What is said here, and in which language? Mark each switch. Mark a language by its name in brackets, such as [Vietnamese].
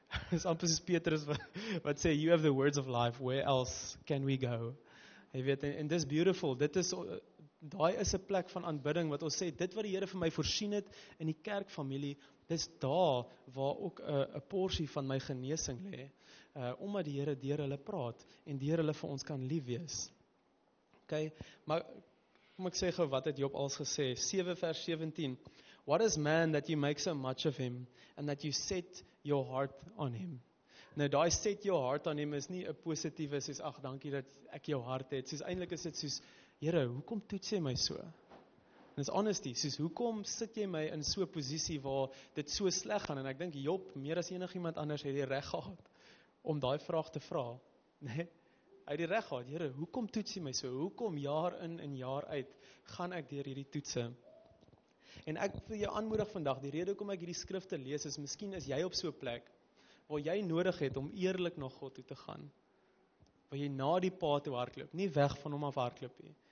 [Afrikaans] Dis amper soos Petrus wat sê, [English] you have the words of life, where else can we go? [Afrikaans] Jy weet, en dis beautiful, dit is, daai is 'n plek van aanbidding, wat ons sê, dit wat die Here vir my voorsien het in die kerkfamilie, dis daar waar ook 'n porsie van my genesing lê, omdat die Here deur hulle praat en deur hulle vir ons kan lief wees. Okay, maar kom ek sê gou wat het Job als gesê, 7 vers 17. [English] What is man that you make so much of him and that you set your heart on him? [Afrikaans] Nou daai [English] set your heart on him [Afrikaans] is nie 'n positiewe soos ag dankie dat ek jou hart het. Soos eintlik is dit soos Here, hoekom toets jy my so? En is honesty, soos hoekom sit jy my in so 'n posisie waar dit so sleg gaan en ek dink Job meer as enigiemand anders het die reg gehad om daai vraag te vra. Nee. Hy het die reg gehad, Here, hoekom toets jy my so? Hoekom jaar in en jaar uit gaan ek deur hierdie toetse? En ek wil jou aanmoedig vandag, die rede hoekom ek hierdie skrifte lees is, miskien is jy op so 'n plek waar jy nodig het om eerlik na God toe te gaan. Waar jy na die pa toe hardloop, nie weg van hom af hardloop nie.